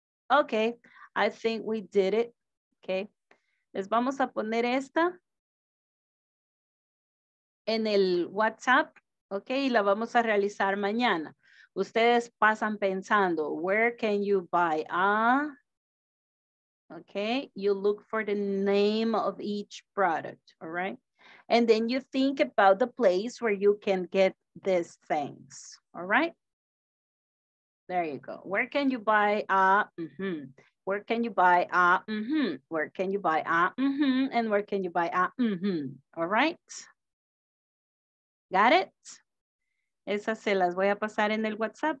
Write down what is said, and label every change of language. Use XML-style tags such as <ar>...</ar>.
<en>Okay, I think we did it.</en> <es>Okay, les vamos a poner esta en el WhatsApp, okay, y la vamos a realizar mañana. Ustedes pasan pensando,</es> <en>where can you buy a, okay, you look for the name of each product, all right? And then you think about the place where you can get these things, all right? There you go. Where can you buy a, mm-hmm. Where can you buy a, mm-hmm. Where can you buy a, mm-hmm. And where can you buy a, mm-hmm. All right? Got it?</en> <es>Esas se las voy a pasar en el WhatsApp.</es>